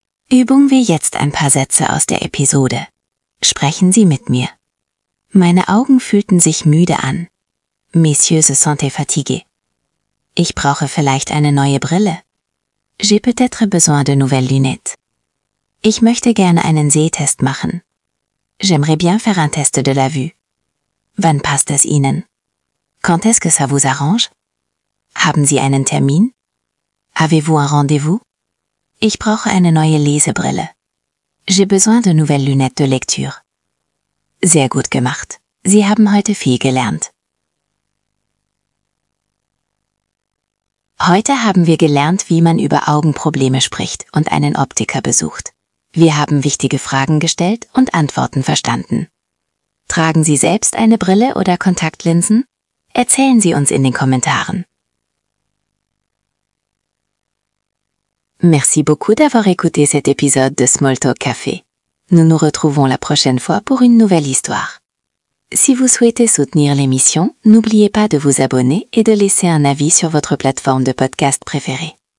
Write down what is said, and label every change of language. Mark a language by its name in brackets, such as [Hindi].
[German] Übung wir jetzt ein paar Sätze aus der Episode. Sprechen Sie mit mir. Meine Augen fühlten sich müde an. [French] Messieurs, se sentaient fatigués. [German] Ich brauche vielleicht eine neue Brille. [French] J'ai peut-être besoin de nouvelles lunettes. [German] Ich möchte gerne einen Sehtest machen. [French] J'aimerais bien faire un test de la vue. [German] Wann passt es Ihnen? [French] Quand est-ce que ça vous arrange? [German] Haben Sie einen Termin? [French] Avez-vous un rendez-vous? [German] Ich brauche eine neue Lesebrille. [French] J'ai besoin de nouvelles lunettes de lecture. [German] Sehr gut gemacht. Sie haben heute viel gelernt. Heute haben wir gelernt, wie man über Augenprobleme spricht und einen Optiker besucht. Wir haben wichtige Fragen gestellt und Antworten verstanden. Tragen Sie selbst eine Brille oder Kontaktlinsen? Erzählen Sie uns in den Kommentaren. [French] Merci beaucoup d'avoir écouté cet épisode de Small Talk Café. Nous nous retrouvons la prochaine fois pour une nouvelle histoire. Si vous souhaitez soutenir l'émission, n'oubliez pas de vous abonner et de laisser un avis sur votre plateforme de podcast préférée.